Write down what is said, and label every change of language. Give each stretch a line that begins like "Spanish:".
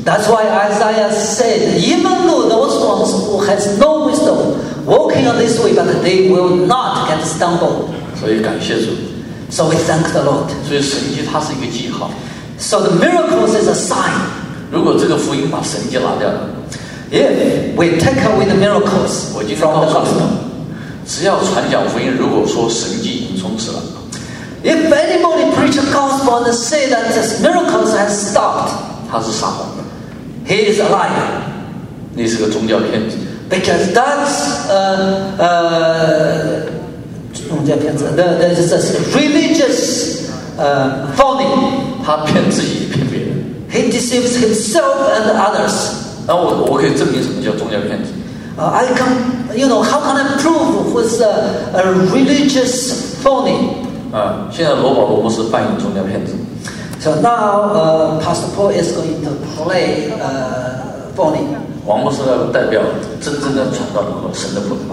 English: That's why Isaiah said, even though those ones who has no wisdom walking on this way, but they will not get stumbled.
Chinese: 所以感谢主。
English: So we thank the Lord.
Chinese: 所以神迹它是一个记号。
English: So the miracles is a sign.
Chinese: 如果这个福音把神迹拿掉了
English: ，If we take away the miracles from the gospel,
Chinese: 只要传讲福音，如果说神迹已经终止了
English: If anybody preach gospel and say that this miracles has stopped,
Chinese: 他是撒谎的。
English: He is a liar.
Chinese: 你是个宗教骗子。
English: Because that's that's a religious phony.
Chinese: 他骗自己，骗别人。
English: He deceives himself and others.
Chinese: 那我可以证明什么叫宗教骗子？
English: How can I prove who's a religious phony?
Chinese: 现在罗保罗不是扮演宗教骗子。
English: So now, Pastor Paul is going to play phony.
Chinese: 王牧师呢，代表真正的传道人和神的仆人。